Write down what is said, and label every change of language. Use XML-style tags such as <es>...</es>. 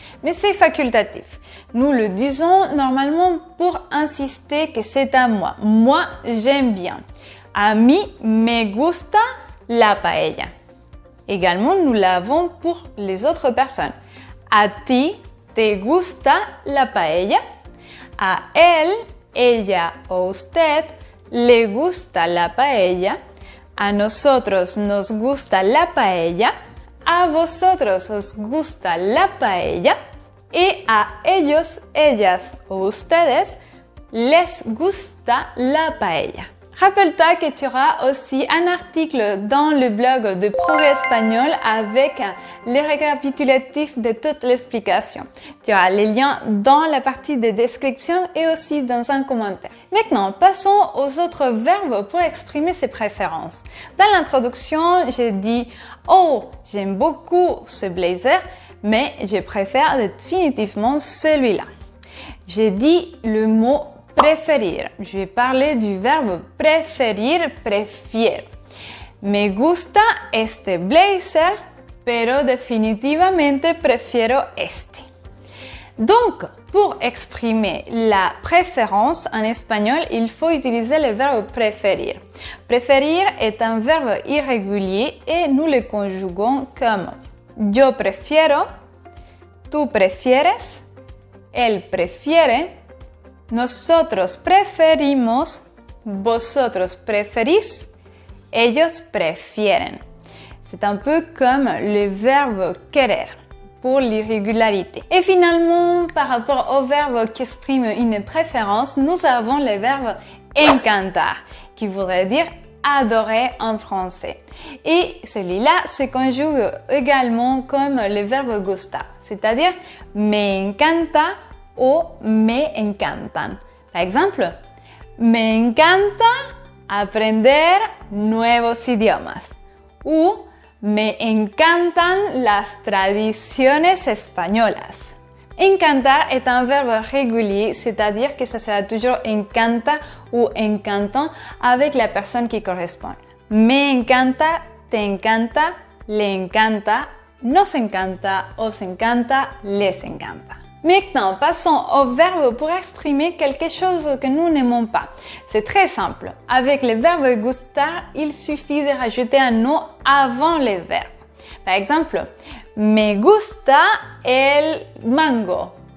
<fr>Mais c'est facultatif. Nous le disons normalement pour insister que c'est à moi. Moi, j'aime bien.</fr> <es>A mí me gusta la paella.</es> <fr>Également, nous l'avons pour les autres personnes.</fr> <es>A ti te gusta la paella. A él, ella o usted le gusta la paella. A nosotros nos gusta la paella. A vosotros os gusta la paella y a ellos, ellas o ustedes les gusta la paella.</es> <fr>Rappelle-toi que tu auras aussi un article dans le blog de Progrès Espagnol avec les récapitulatifs de toute l'explication. Tu auras les liens dans la partie de description et aussi dans un commentaire. Maintenant, passons aux autres verbes pour exprimer ses préférences. Dans l'introduction, j'ai dit « Oh, j'aime beaucoup ce blazer, mais je préfère définitivement celui-là. » J'ai dit le mot préférer. Je vais parler du verbe préférer, préfier.</fr> <es>Me gusta este blazer, pero definitivamente prefiero este.</es> <fr>Donc, pour exprimer la préférence en espagnol, il faut utiliser le verbe préférer. Préférer est un verbe irrégulier et nous le conjuguons comme</fr> <es>yo prefiero, tú prefieres, él prefiere. Nosotros preferimos, vosotros preferís, ellos prefieren.</es> <fr>C'est un peu comme le verbe querer pour l'irrégularité. Et finalement, par rapport au verbe qui exprime une préférence, nous avons le verbe encantar, qui voudrait dire adorer en français. Et celui-là se conjugue également comme le verbe gustar, c'est-à-dire me encanta.</fr> <es>O me encantan.</es> <fr>Par exemple,</fr> <es>me encanta aprender nuevos idiomas. O me encantan las tradiciones españolas.</es> <fr>Encantar est un verbe régulier, c'est-à-dire que ça sera toujours encanta ou encantant avec la personne qui correspond.</fr> <es>Me encanta, te encanta, le encanta, nos encanta, os encanta, les encanta.</es> <fr>Maintenant, passons au verbe pour exprimer quelque chose que nous n'aimons pas. C'est très simple. Avec le verbe gustar, il suffit de rajouter un nom avant le verbe. Par exemple,</fr> <es>me gusta el mango.</es>